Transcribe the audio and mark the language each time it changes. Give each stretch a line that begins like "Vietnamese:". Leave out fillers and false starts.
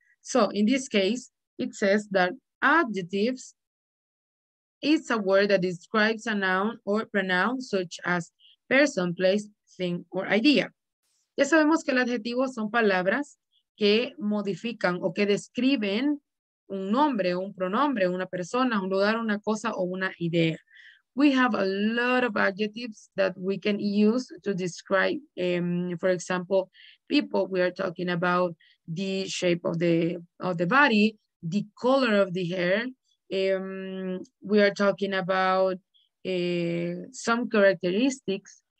English: So in this case, it says that adjectives is a word that describes a noun or pronoun such as person, place, thing, or idea.
Spanish: Ya sabemos que el adjetivo son palabras que modifican o que describen un nombre, un pronombre, una persona, un lugar, una cosa o una idea.
English: We have a lot of adjectives that we can use to describe, for example, people. We are talking about the shape of the body, the color of the hair. We are talking about some characteristics.